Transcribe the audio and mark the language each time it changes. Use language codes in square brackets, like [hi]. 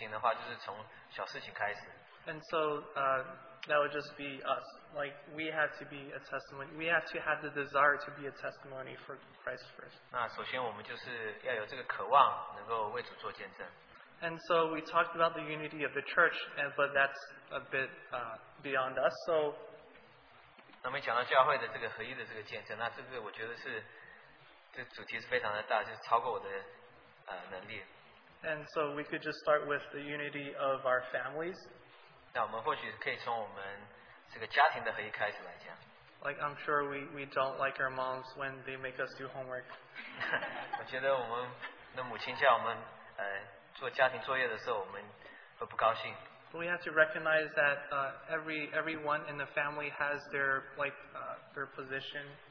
[zh] 那我们很实际的能够实行的话，就是从小事情开始。 [en] And so that would just be us. Like we have to be a testimony. We have to have the desire to be a testimony for Christ first. [zh] 那首先我们就是要有这个渴望，能够为主做见证。 [en] And so we talked about the unity of the church, but that's a bit beyond us. So, [zh] 那我们讲到教会的这个合一的这个见证，那这个我觉得是这主题是非常的大，就是超过我的能力。And [en] so we could just start with the unity of our families. [zh] 那我们或许可以从我们这个家庭的合一开始来讲。 [en] Like I'm sure we don't like our moms when they make us do homework. [zh] 我觉得我们的母亲叫我们。做家庭作业的时候，我们会不高兴。 [en] We have to recognize that everyone in the family has their like their position.